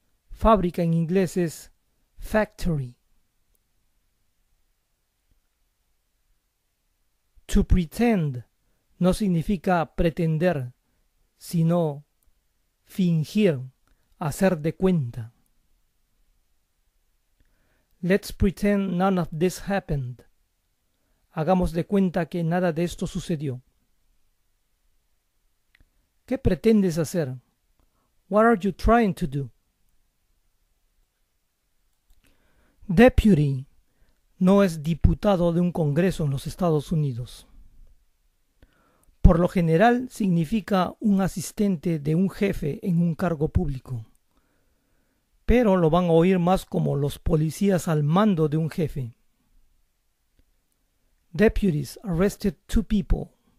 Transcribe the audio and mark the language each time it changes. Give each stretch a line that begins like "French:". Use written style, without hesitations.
Spanish: Fábrica en inglés es factory. To pretend no significa pretender, sino fingir, hacer de cuenta.
English: Let's pretend none of this happened.
Spanish: Hagamos de cuenta que nada de esto sucedió. ¿Qué pretendes hacer?
English: What are you trying to do?
Spanish: Deputy no es diputado de un congreso en los Estados Unidos. Por lo general significa un asistente de un jefe en un cargo público, pero lo van a oír más como los policías al mando de un jefe.
English: Deputies arrested two people.